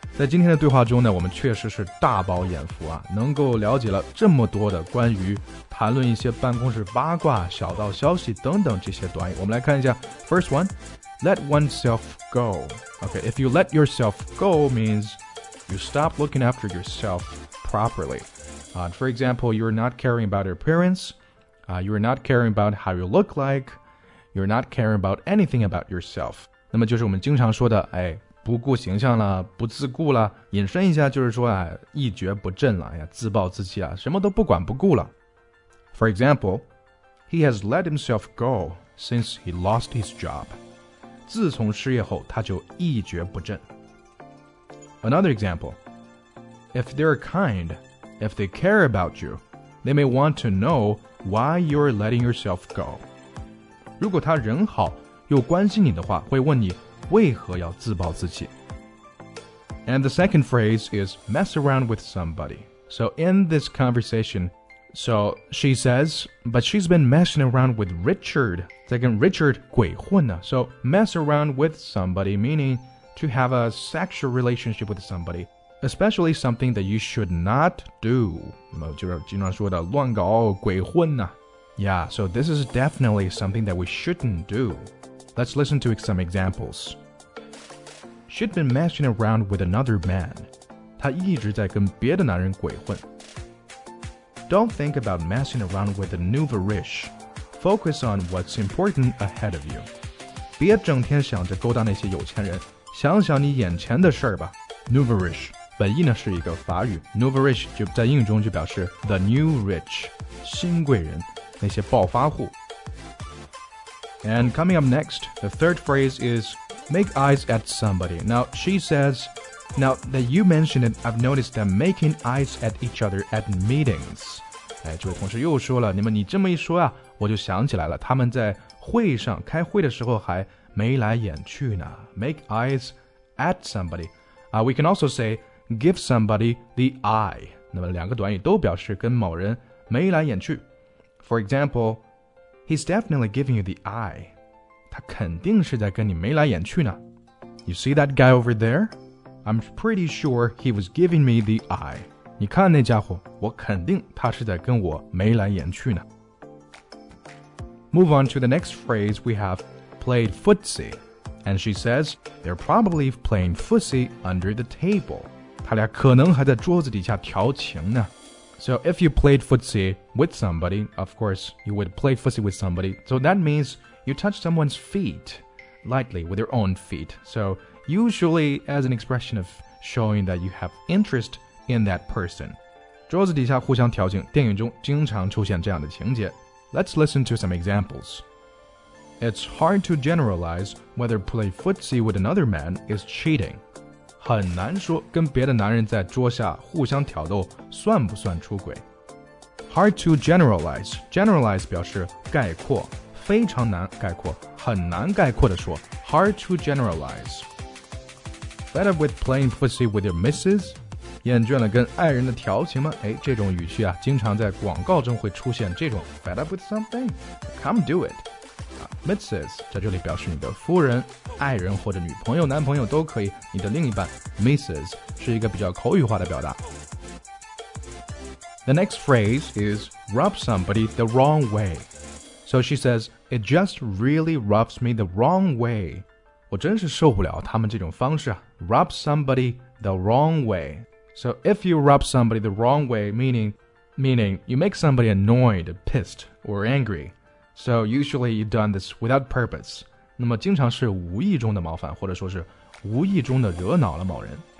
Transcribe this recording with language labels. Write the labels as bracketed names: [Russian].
[Chinese] 在今天的对话中呢，我们确实是大饱眼福啊，能够了解了这么多的关于谈论一些办公室八卦、小道消息等等这些短语。我们来看一下 , [English] first one, let oneself go. Okay, if you let yourself go means you stop looking after yourself properly. For example, you're not caring about your appearance, you're not caring about how you look like, you're not caring about anything about yourself. [Chinese] 那么就是我们经常说的、哎、不顾形象了，不自顾了，引申一下就是说、啊、一蹶不振了、哎、呀自暴自弃啊，什么都不管不顾了。 [English] For example, he has let himself go since he lost his job. [Chinese] 自从失业后他就一蹶不振。 [English] Another example, if they're kindIf they care about you, they may want to know why you're letting yourself go. [Chinese] 如果他人好又关心你的话，会问你为何要自暴自弃。 [English] And the second phrase is mess around with somebody. So in this conversation, so she says, but she's been messing around with Richard. [Chinese] 在跟 Richard 鬼混呢。 [English] So mess around with somebody, meaning to have a sexual relationship with somebody. Especially something that you should not do. [Chinese] 那么就是经常说的乱搞鬼混啊。 [English] Yeah, so this is definitely something that we shouldn't do. Let's listen to some examples. She'd been messing around with another man. [Chinese] 她一直在跟别的男人鬼混。 [English] Don't think about messing around with a nouveau riche. Focus on what's important ahead of you. [Chinese] 别整天想着勾搭那些有钱人，想想你眼前的事儿吧。 Nouveau riche. 本意呢是一个法语 Nouveau rich 就在英语中就表示 [English] The new rich [Chinese] 新贵人那些暴发户 [English] And coming up next The third phrase is Make eyes at somebody Now she says Now that you mentioned it I've noticed that making eyes at each other at meetings [Chinese] 哎，这位同事又说了你这么一说啊我就想起来了他们在会上开会的时候还眉来眼去呢 [English] Make eyes at somebody、We can also sayGive somebody the eye. [Chinese] 那么两个短语都表示跟某人眉来眼去。 [English] For example, he's definitely giving you the eye. [Chinese] 他肯定是在跟你眉来眼去呢。 [English] You see that guy over there? I'm pretty sure he was giving me the eye. [Chinese] 你看那家伙，我肯定他是在跟我眉来眼去呢。 [English] Move on to the next phrase we have, played footsie. And she says, they're probably playing footsie under the table. [Chinese] 他俩可能还在桌子底下调情呢。 [English] So if you played footsie with somebody, of course, you would play footsie with somebody. So that means you touch someone's feet. lightly with your own feet. So usually as an expression of showing that you have interest in that person. [Chinese] 桌子底下互相调情，电影中经常出现这样的情节。 [English] Let's listen to some examples. It's hard to generalize whether play footsie with another man is cheating. [Chinese] 很难说跟别的男人在桌下互相挑逗算不算出轨。 [English] Hard to generalize. [Chinese] Generalize 表示概括，非常难概括，很难概括的说。 [English] Hard to generalize. Fed up with playing footsie with your missus? [Chinese] 厌倦了跟爱人的调情吗？哎，这种语气啊，经常在广告中会出现。这种 [English] fed up with something, come do it. Mrs. [Chinese] 在这里表示你的夫人、爱人或者女朋友、男朋友都可以。你的另一半 Mrs. 是一个比较口语化的表达。 [English] The next phrase is rub somebody the wrong way. So she says, it just really rubs me the wrong way. [Chinese] 我真是受不了他们这种方式啊。 [English] Rub somebody the wrong way. So if you rub somebody the wrong way, meaning you make somebody annoyed, pissed, or angry. So usually you've done this without purpose. [Chinese] 那么经常是无意中的冒犯，或者说是无意中的惹恼了某人。